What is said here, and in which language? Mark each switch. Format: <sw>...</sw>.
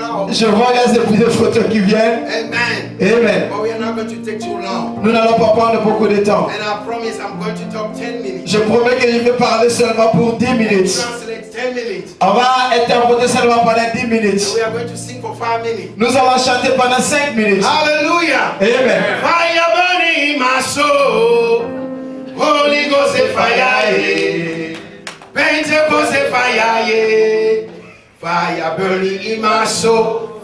<fr>Je vois les épisodes de photos qui viennent. Amen. Amen.</fr> <en>But we are not going to take too long.</en> <fr>Nous n'allons pas prendre beaucoup de temps.</fr> <en>And I promise I'm going to talk 10 minutes.</en> <fr>Je promets que je vais parler seulement pour 10 minutes. On va interpréter seulement pendant 10 minutes.</fr> <en>And we are going to sing for 5 minutes.</en> <fr>Nous allons chanter pendant 5 minutes. Hallelujah. Amen.</fr> <en>Fire burning in my soul. Holy Ghost is fire. Pentecost is fire. Fire burning in my soul.</en>